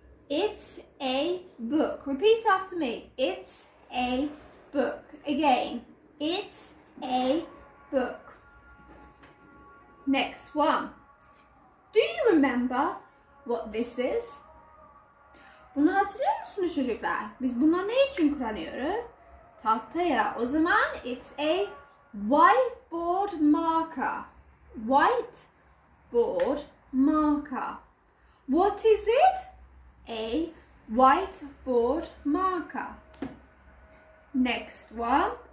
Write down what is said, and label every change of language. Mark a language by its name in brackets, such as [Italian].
[English] It's a book. Repeat after me. It's a book. Again, it's a book. Next one. Do you remember what this is? [Turkish] Bunu hatırlıyor musunuz çocuklar? Biz bunu ne için kullanıyoruz? Tahtaya. O zaman [English] it's a whiteboard marker. Whiteboard marker. What is it? A whiteboard marker. Next one.